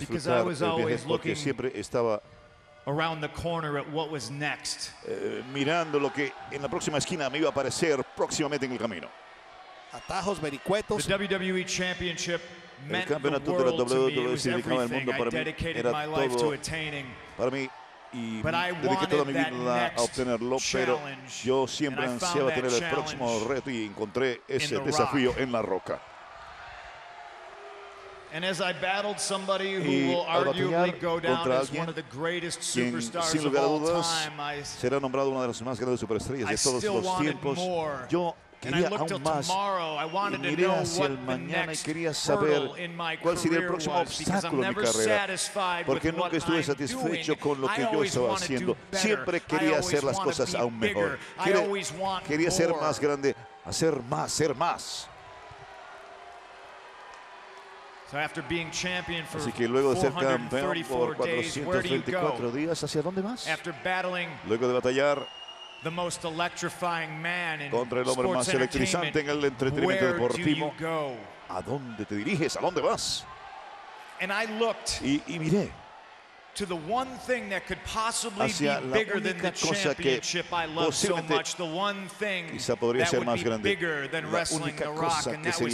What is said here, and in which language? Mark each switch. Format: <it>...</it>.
<en>because I was always looking around the corner at what was next.</en> <es>Mirando lo que en la próxima esquina me iba a aparecer próximamente en el camino. Atajos, vericuetos.</es> <en>The WWE championship</en> <es>el campeonato</es> <en>meant the world</en> <es>de la WWE significaba el mundo para mí. Era todo para mí y dediqué toda mi vida a obtenerlo, pero yo siempre ansiaba tener el próximo reto y encontré ese desafío en La Roca.</es> <en>And as I battled somebody who will arguably go down as one of the greatest superstars of all time,</en> <es>será nombrado una de las más grandes superestrellas de todos los tiempos. Yo quería aún más. Miré hacia el mañana y quería saber cuál sería el próximo obstáculo en mi carrera, porque nunca estuve satisfecho con lo que yo estaba haciendo. Siempre quería hacer las cosas aún mejor. Quería ser más grande, hacer más, ser más. Así que luego de ser campeón por 434 días, ¿hacia dónde vas? Luego de batallar</es> <en>the most electrifying man in</en> <es>contra el hombre más electrizante en el entretenimiento deportivo, ¿a dónde te diriges? ¿A dónde vas?</es> <en>And I looked</en> <es>y miré</es> <en>to the one thing that could possibly be bigger than the championship I love so much, the one thing that would be bigger than wrestling The Rock, and that was</en>